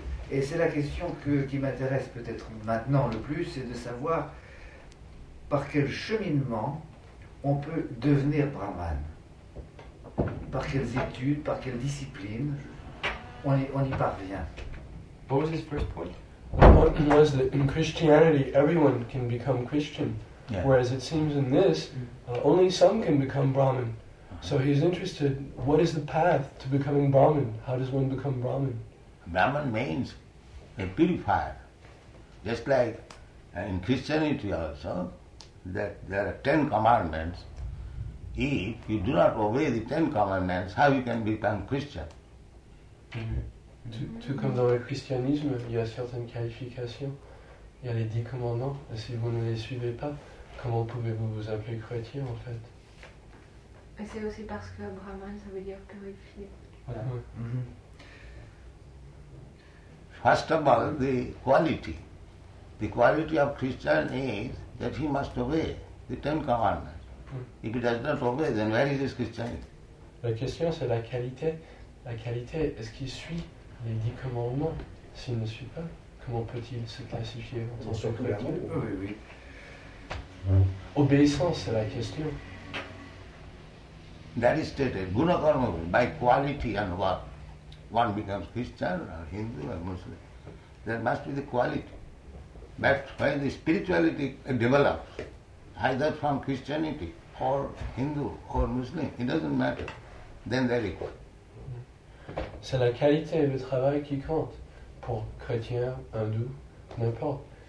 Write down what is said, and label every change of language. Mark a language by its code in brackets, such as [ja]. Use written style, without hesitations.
[fr] Et c'est la question qui m'intéresse peut-être maintenant le plus, c'est de savoir par quel cheminement on peut devenir brahman. Par quelles études, par quelles disciplines, on y parvient. [en] What was his first point? One was that in Christianity, everyone can become Christian, whereas it seems in this, only some can become Brahmin. So he's interested, what is the path to becoming Brahmin? How does one become Brahmin? Brahmin means a purifier. Just like in Christianity also, that there are 10 commandments. If you do not obey the 10 commandments, how you can become Christian? Mm-hmm. [fr] Tout comme dans le christianisme, il y a certaines qualifications. Il y a les 10 commandements. Et si vous ne les suivez pas, comment pouvez-vous vous appeler chrétien, en fait? Et c'est aussi parce que brahman, ça veut dire purifié. Voilà. Ouais. [en] Mm-hmm. First of all, the quality. The quality of Christian is that he must obey the 10 commandments. Mm. If he does not obey, then where is his Christianity? [fr] Mm. La question, c'est la qualité. La qualité, est-ce qu'il suit les 10 commandements? S'il ne suit pas, comment peut-il se classifier en tant que chrétien? Oui, oui. Mmh. Obéissance, c'est la question. [en] That is stated, guna karma, by quality and what? One becomes Christian or Hindu or Muslim. There must be the quality. That's why the spirituality develops, either from Christianity or Hindu or Muslim. It doesn't matter. Then they're equal. [fr] C'est la qualité et le travail qui comptent pour chrétien, hindou, n'importe.